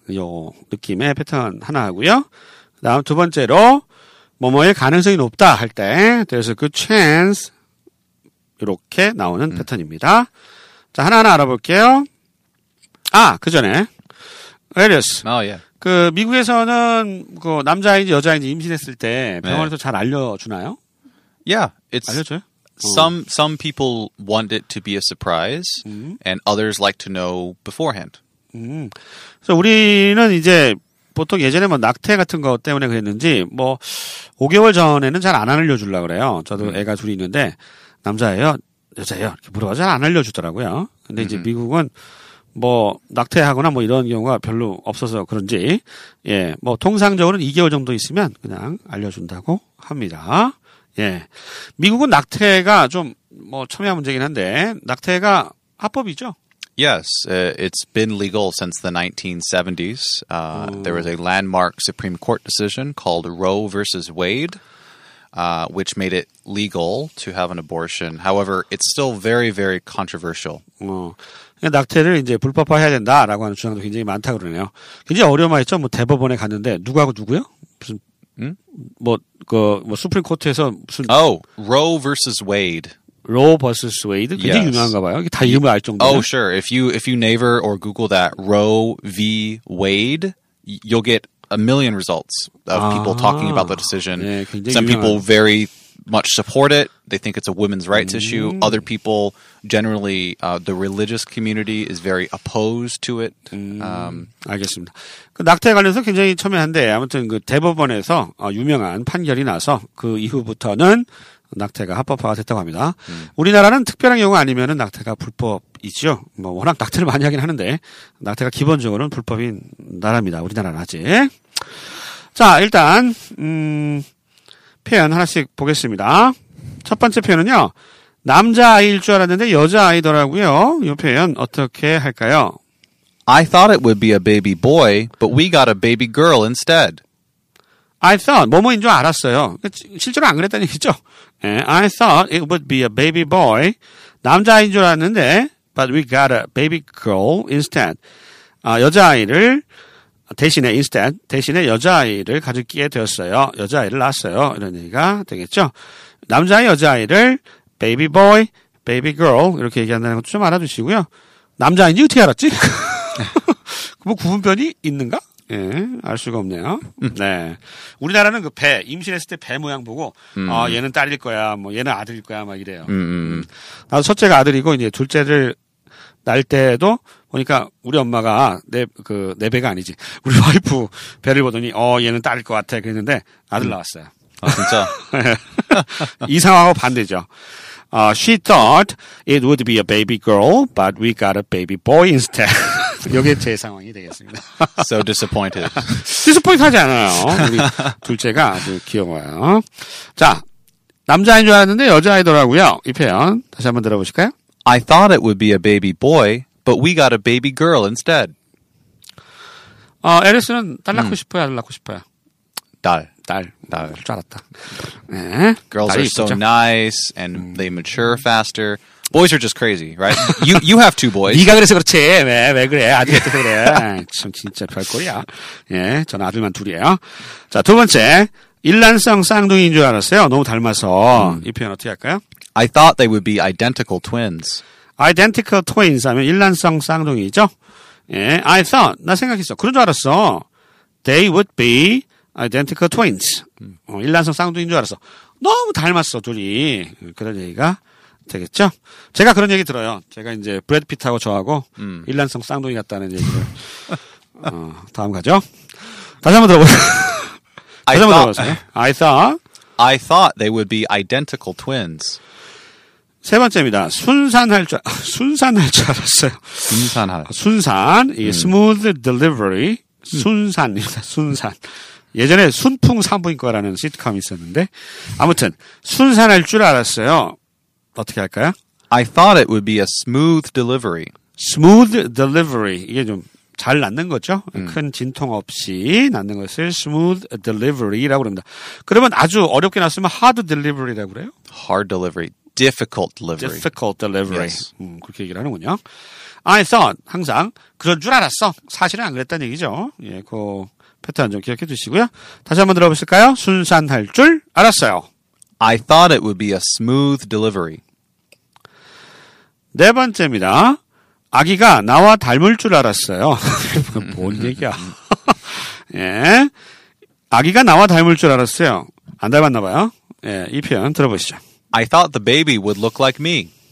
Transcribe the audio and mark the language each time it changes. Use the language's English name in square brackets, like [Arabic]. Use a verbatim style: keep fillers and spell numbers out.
[Korean] 요 느낌의 패턴 하나 하고요. 그 다음 두 번째로 뭐뭐의 가능성이 높다 할 때 [English] there's a good chance [Korean] 이렇게 나오는 음. 패턴입니다. 자, 하나하나 알아볼게요. 아, 그 전에. 에리어스. 아, 예. 그, 미국에서는, 그, 남자인지 여자인지 임신했을 때 병원에서 네. 잘 알려주나요? [English] Yeah. It's, [Korean] 알려줘요? [English] Some, some people want it to be a surprise, 음. and others like to know beforehand. 음. [Korean] 그래서 우리는 이제, 보통 예전에 뭐 낙태 같은 거 때문에 그랬는지, 뭐, 오 개월 전에는 잘 안 알려주려고 그래요. 저도 음. 애가 둘이 있는데, 남자예요? 여자예요? 이렇게 물어봐. 잘 안 알려주더라고요. 근데 이제 음. 미국은 뭐, 낙태하거나 뭐 이런 경우가 별로 없어서 그런지, 예, 뭐 통상적으로는 이 개월 정도 있으면 그냥 알려준다고 합니다. 예. 미국은 낙태가 좀, 뭐, 첨예한 문제긴 한데, 낙태가 합법이죠? [English] Yes, uh, it's been legal since the nineteen seventies. Uh, there was a landmark Supreme Court decision called Roe versus Wade. Uh, which made it legal to have an abortion. However, it's still very, very controversial. [Korean] 어, 낙태를 이제 불법화해야 된다라고 하는 주장도 굉장히 많다 그러네요. 굉장히 어려움이었죠. 뭐 대법원에 갔는데 누구하고 누구요? 무슨 음? 뭐 그 뭐 수프림 코트에서 무슨 [English] Oh, Roe versus Wade. [Korean] Roe versus Wade. 굉장히 yes. 유명한가 봐요. 다 이름을 알 정도로. [English] Oh, sure. If you if you naver or Google that Roe v. Wade, you'll get a million results of 아, people talking about the decision. [Korean] 예, [English] Some [Korean] 유명한. [English] people very much support it. They think it's a women's rights 음. issue. Other people, generally, uh, the religious community is very opposed to it. [Korean] 음, um, 알겠습니다. 그 낙태에 관련해서 굉장히 첨예한데 아무튼 그 대법원에서 어, 유명한 판결이 나서 그 이후부터는 낙태가 합법화가 됐다고 합니다. 음. 우리나라는 특별한 경우가 아니면은 낙태가 불법이죠. 뭐 워낙 낙태를 많이 하긴 하는데 낙태가 기본적으로는 불법인 나라입니다. 우리나라는 아직. 자, 일단 음, 표현 하나씩 보겠습니다. 첫 번째 표현은요. 남자아이일 줄 알았는데 여자아이더라고요. 이 표현 어떻게 할까요? [English] I thought it would be a baby boy, but we got a baby girl instead. I thought, [Korean] 뭐뭐인 줄 알았어요. 실제로 안 그랬다는 얘기죠. [English] I thought it would be a baby boy. [Korean] 남자아이인 줄 알았는데, [English] but we got a baby girl instead. [Korean] 아, 여자아이를 대신에, instead, 대신에 여자아이를 가지게 되었어요. 여자아이를 낳았어요. 이런 얘기가 되겠죠. 남자아이, 여자아이를 baby boy, baby girl 이렇게 얘기한다는 것도 좀 알아두시고요. 남자아이인지 어떻게 알았지? 뭐 구분변이 있는가? 예, 알 수가 없네요. 음. 네. 우리나라는 그 배, 임신했을 때 배 모양 보고, 음. 어, 얘는 딸일 거야, 뭐, 얘는 아들일 거야, 막 이래요. 음, 음. 나도 첫째가 아들이고, 이제 둘째를 낳을 때도 보니까 우리 엄마가 내, 그, 내 배가 아니지. 우리 와이프 배를 보더니, 어, 얘는 딸일 것 같아. 그랬는데, 아들 음. 나왔어요. 아, 진짜? 이 상황하고 반대죠. [English] 어, she thought it would be a baby girl, but we got a baby boy instead. [Korean] 이게 제 상황이 되겠습니다. [English] So disappointed. [Korean] disappointed 하지 않아요. 우리 둘째가 아주 귀여워요. 자, 남자인 줄 알았는데 여자아이더라고요. 이 표현 다시 한번 들어보실까요? [English] I thought it would be a baby boy, but we got a baby girl instead. [Korean] 어, 에리스는 딸 낳고 음. 싶어요? 아들 낳고 싶어요? 딸. 딸. 딸. 줄 알았다. 네. [English] Girls are so nice and 음. they mature faster. Boys are just crazy, right? You you have two boys. [Korean] 네가 그래서 그렇지. 왜, 왜 그래? 아들이 어때서 그래? 아, 참 진짜 별꼴이야. 예, 저는 아들만 둘이에요. 자, 두 번째. 일란성 쌍둥이인 줄 알았어요. 너무 닮아서. 음. 이 표현 어떻게 할까요? [English] I thought they would be identical twins. [Korean] Identical twins 하면 일란성 쌍둥이죠. 예, [English] I thought, [Korean] 나 생각했어. 그런 줄 알았어. [English] They would be identical twins. [Korean] 어, 일란성 쌍둥이인 줄 알았어. 너무 닮았어, 둘이. 그런 얘기가 되겠죠? 제가 그런 얘기 들어요. 제가 이제 브래드 피트하고 저하고 음. 일란성 쌍둥이 같다는 얘기를. 어, 다음 가죠. 다시 한번 들어보세요. 다시 한번 들어보세요. [English] I thought. I thought they would be identical twins. [Korean] 세 번째입니다. 순산할 줄, 순산할 줄 알았어요. 순산할. 순산, 이 음. smooth delivery, 순산입니다. 순산. 예전에 순풍 산부인과라는 시트콤이 있었는데, 아무튼, 순산할 줄 알았어요. 어떻게 할까요? [English] I thought it would be a smooth delivery. [Korean] smooth delivery. 이게 좀, 잘 낳는 거죠. 음. 큰 진통 없이 낳는 것을 smooth delivery라고 합니다. 그러면 아주 어렵게 낳았으면 hard delivery라고 그래요? [English] hard delivery, difficult delivery. difficult delivery. Yes. [Korean] 음, 그렇게 얘기를 하는군요. [English] I thought, [Korean] 항상 그런 줄 알았어. 사실은 안 그랬다는 얘기죠. 예, 그 패턴 좀 기억해 두시고요. 다시 한번 들어보실까요? 순산할 줄 알았어요. [English] I thought it would be a smooth delivery. [Korean] 네 번째입니다. 아기가 나와 닮을 줄 알았어요. 뭔 얘기야. 예. 아기가 나와 닮을 줄 알았어요. 안 닮았나 봐요. 예, 이 표현 들어보시죠. [English] I thought the baby would look like me.